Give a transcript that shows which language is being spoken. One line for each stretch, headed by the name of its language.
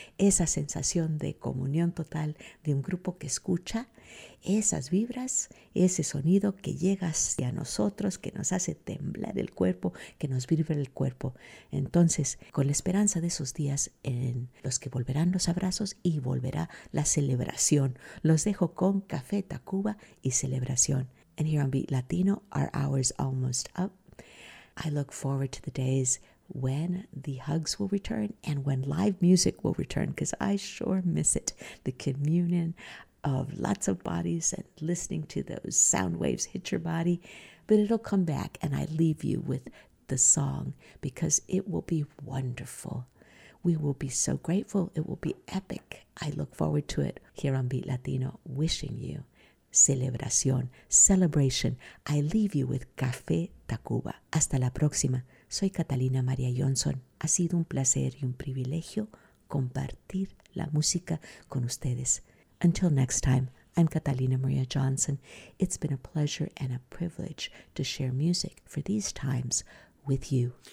Spanish: Esa sensación de comunión total de un grupo que escucha, esas vibras, ese sonido que llega hacia nosotros, que nos hace temblar el cuerpo, que nos vibra el cuerpo. Entonces, con la esperanza de esos días en los que volverán los abrazos y volverá la celebración, los dejo con Café Tacuba y celebración.
English: And here on Beat Latino, our hour's almost up. I look forward to the days when the hugs will return and when live music will return, because I sure miss it. The communion of lots of bodies and listening to those sound waves hit your body. But it'll come back, and I leave you with the song, because it will be wonderful. We will be so grateful. It will be epic. I look forward to it here on Beat Latino, wishing you celebración, celebration. I leave you with Café Tacuba.
Spanish: Hasta la próxima. Soy Catalina María Johnson. Ha sido un placer y un privilegio compartir la música con ustedes.
English: Until next time, I'm Catalina María Johnson. It's been a pleasure and a privilege to share music for these times with you.